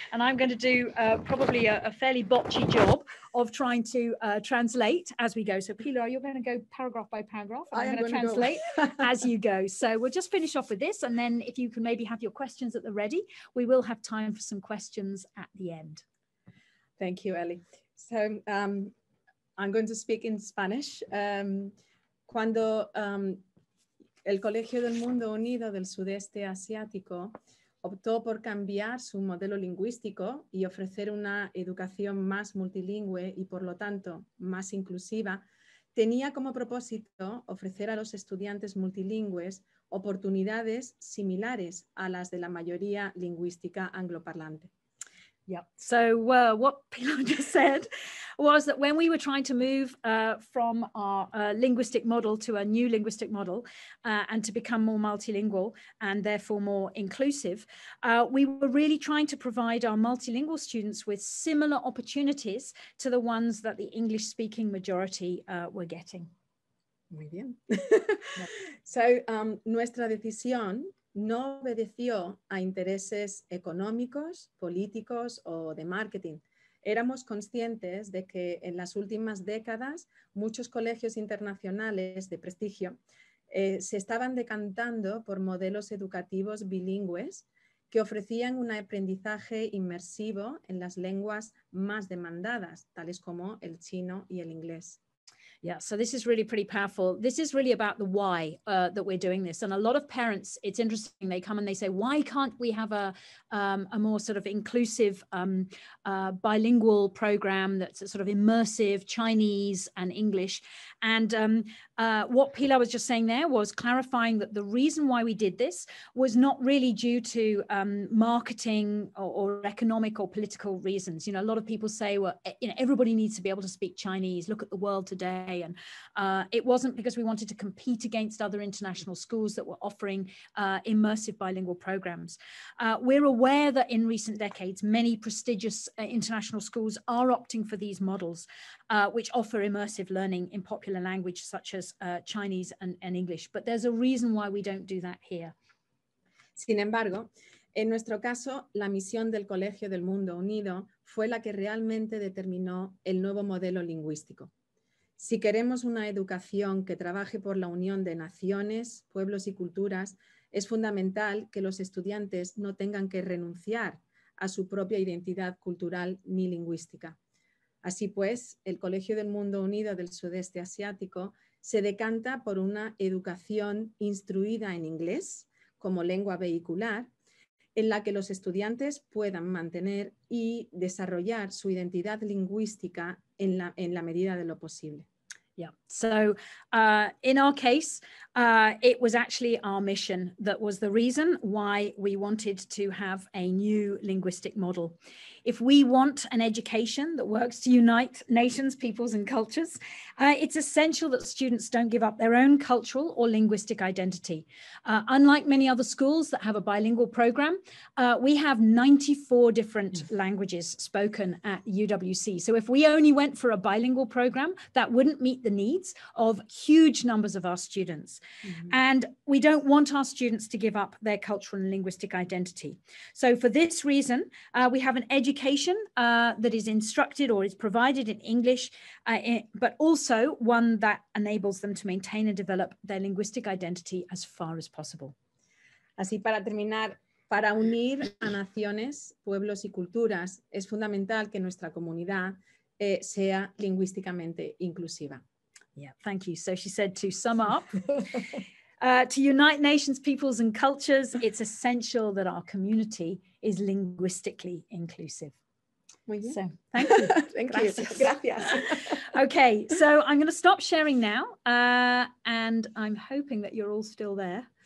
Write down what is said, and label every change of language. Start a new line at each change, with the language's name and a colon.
English: And I'm going to do probably a fairly botchy job of trying to translate as we go. So Pilar, you're going to go paragraph by paragraph, and I'm going to translate as you go. So we'll just finish off with this, and then if you can maybe have your questions at the ready, we will have time for some questions at the end. Thank you, Ellie. So I'm going to speak in Spanish.
Spanish: Cuando el Colegio del Mundo Unido del Sudeste Asiático optó por cambiar su modelo lingüístico y ofrecer una educación más multilingüe y, por lo tanto, más inclusiva, tenía como propósito ofrecer a los estudiantes multilingües oportunidades similares a las de la mayoría lingüística angloparlante.
English: Yep. So what Pilar just said was that when we were trying to move from our linguistic model to a new linguistic model and to become more multilingual and therefore more inclusive, we were really trying to provide our multilingual students with similar opportunities to the ones that the English speaking majority were getting.
Spanish: Muy bien. So nuestra decisión no obedeció a intereses económicos, políticos o de marketing. Éramos conscientes de que en las últimas décadas muchos colegios internacionales de prestigio se estaban decantando por modelos educativos bilingües que ofrecían un aprendizaje inmersivo en las lenguas más demandadas, tales como el chino y el inglés.
English: Yeah, so this is really pretty powerful. This is really about the why that we're doing this. And a lot of parents, it's interesting, they come and they say, why can't we have a more sort of inclusive bilingual program that's sort of immersive Chinese and English? And what Pilar was just saying there was clarifying that the reason why we did this was not really due to marketing or economic or political reasons. You know, a lot of people say, well, you know, everybody needs to be able to speak Chinese. Look at the world today. And it wasn't because we wanted to compete against other international schools that were offering immersive bilingual programs. We're aware that in recent decades, many prestigious international schools are opting for these models, which offer immersive learning in popular language such as Chinese and English. But there's a reason why we don't do that here.
Spanish: Sin embargo, en nuestro caso, la misión del Colegio del Mundo Unido fue la que realmente determinó el nuevo modelo lingüístico. Si queremos una educación que trabaje por la unión de naciones, pueblos y culturas, es fundamental que los estudiantes no tengan que renunciar a su propia identidad cultural ni lingüística. Así pues, el Colegio del Mundo Unido del Sudeste Asiático se decanta por una educación instruida en inglés como lengua vehicular, en la que los estudiantes puedan mantener y desarrollar su identidad lingüística en la medida de lo posible.
English: Yeah, so in our case, it was actually our mission that was the reason why we wanted to have a new linguistic model. If we want an education that works to unite nations, peoples and cultures, it's essential that students don't give up their own cultural or linguistic identity. Unlike many other schools that have a bilingual program, we have 94 different languages spoken at UWC. So if we only went for a bilingual program, that wouldn't meet the needs of huge numbers of our students. Mm-hmm. And we don't want our students to give up their cultural and linguistic identity. So for this reason, we have an education that is instructed or is provided in English, but also one that enables them to maintain and develop their linguistic identity as far as possible.
Spanish: Así para terminar, para unir a naciones, pueblos y culturas, es fundamental que nuestra comunidad sea lingüísticamente inclusiva.
English: Yeah, thank you. So she said, to sum up, to unite nations, peoples and cultures, it's essential that our community is linguistically inclusive.
Spanish: Muy bien.
English: So thank you. Thank
Spanish: Gracias.
English: You. Gracias. Okay, so I'm going to stop sharing now. And I'm hoping that you're all still there.